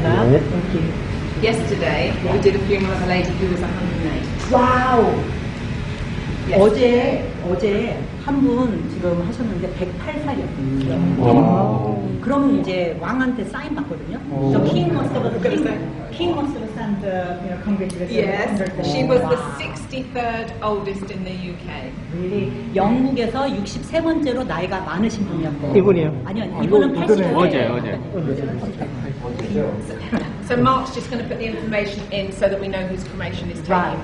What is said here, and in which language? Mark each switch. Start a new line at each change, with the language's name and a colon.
English: Yesterday, we did a funeral of a lady who was 108. Wow. Yes.
Korean: 어제 한 분 지금 하셨는데 108살이었거든요. 그러면 이제 왕한테 사인 받거든요.
English: The king must have signed the congratulations. Yes, she was the 63rd oldest in the UK. Really?
Korean: 영국에서 63번째로 나이가 많으신 분이었고. 이분이요? 아니요, 이분은 80세. 어제.
English: So Mark's just going to put the information in so that we know whose cremation is taking